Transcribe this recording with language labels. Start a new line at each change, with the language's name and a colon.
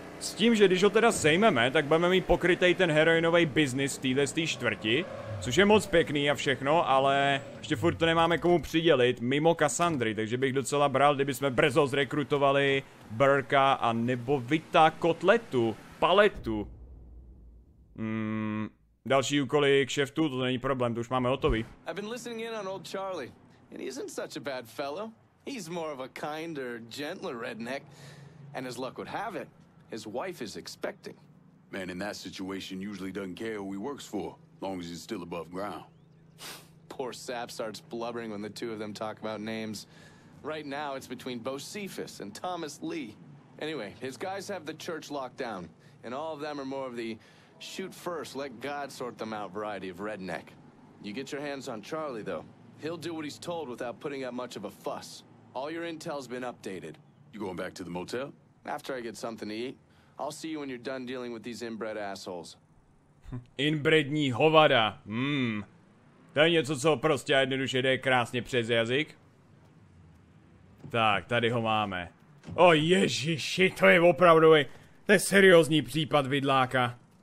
Czech: S tím, že když ho teda sejmeme, tak budeme mít pokrytej ten heroinový biznis v téhle z té čtvrti, což je moc pěkný a všechno, ale ještě furt to nemáme komu přidělit mimo Cassandry, takže bych docela bral, kdybychom brzo zrekrutovali Burka a nebo Vita kotletu, paletu. Další úkoly k šeftu, to není problém, to už máme hotový.
English: I've been listening in on old Charlie, and he isn't such a bad fellow. He's more of a kinder, gentler redneck, and as luck would have it, his wife is expecting. Man in that situation usually doesn't care who he works for. Long as he's still above ground. Poor sap starts blubbering when the two of them talk about names. Right now it's between Bocephus and Thomas Lee. Anyway, his guys have the church locked down, and all of them are more of the shoot first, let God sort them out variety of redneck. You get your hands on Charlie, though. He'll do what he's told without putting up much of a fuss. All your intel's been updated. You going back to the motel? After I get something to eat. I'll see you when you're done dealing with these inbred assholes.
Czech: Inbrední hovada, to je něco, co prostě jednoduše jde krásně přes jazyk. Tak, tady ho máme. O ježiši, to je opravdu, to je seriózní případ vidláka.